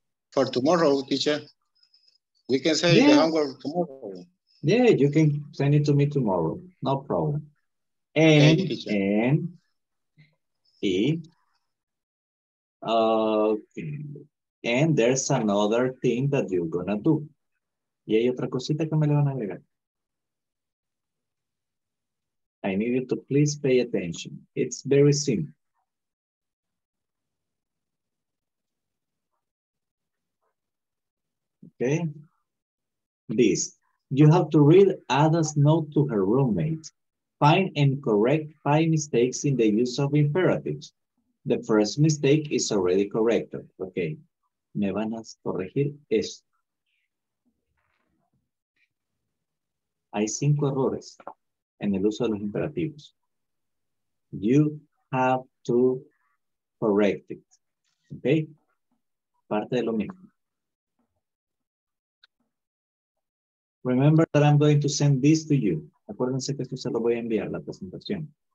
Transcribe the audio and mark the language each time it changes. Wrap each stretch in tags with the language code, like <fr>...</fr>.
<en>For tomorrow, teacher. We can send the homework tomorrow. Yeah, you can send it to me tomorrow. No problem. And, okay, and, E. Okay. And there's another thing that you're gonna do.</en> <es>Y hay otra cosita que me le van a agregar.</es> <en>I need you to please pay attention. It's very simple. Okay. This. You have to read Ada's note to her roommate. Find and correct 5 mistakes in the use of imperatives. The first mistake is already corrected. Okay.</en> <es>Me van a corregir esto. Hay 5 errores en el uso de los imperativos.</es> <en>You have to correct it. Okay?</en> <es>Parte de lo mismo.</es> <en>Remember that I'm going to send this to you.</en> <es>Acuérdense que esto se lo voy a enviar, la presentación.</es>